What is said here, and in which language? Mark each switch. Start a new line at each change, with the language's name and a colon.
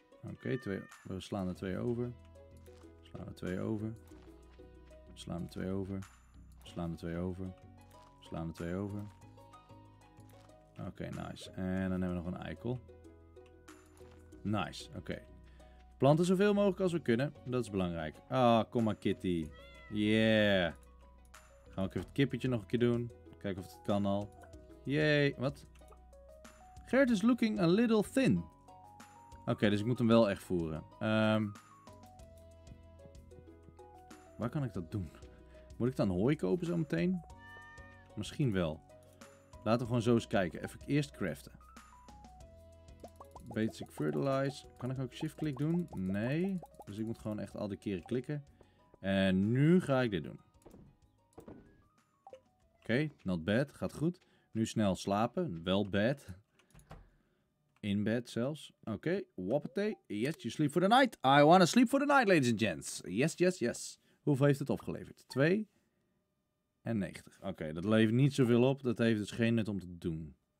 Dutch: Oké, we slaan er 2 over. Slaan er 2 over. Slaan er 2 over. Slaan er 2 over. Slaan er 2 over. Oké, nice. En dan hebben we nog een eikel. Nice, oké. Planten zoveel mogelijk als we kunnen. Dat is belangrijk. Ah, oh, kom maar kitty. Yeah. Gaan we ook even het kippetje nog een keer doen. Kijken of het kan al. Yay. Wat?
English: Gert is looking a little thin.
Dutch: Oké, dus ik moet hem wel echt voeren. Waar kan ik dat doen? Moet ik dan hooi kopen zo meteen? Misschien wel. Laten we gewoon zo eens kijken. Even eerst craften. Basic Fertilize. Kan ik ook shift-click doen? Nee. Dus ik moet gewoon echt al die keren klikken. En nu ga ik dit doen. Oké,
English: not bad.
Dutch: Gaat goed. Nu snel slapen. Wel bad. In bed zelfs. Oké, wappatee.
English: Yes, you sleep for the night. I wanna sleep for the night, ladies and gents. Yes, yes, yes.
Dutch: Hoeveel heeft het opgeleverd? 2 en 90. Oké, dat levert niet zoveel op. Dat heeft dus geen nut om te doen.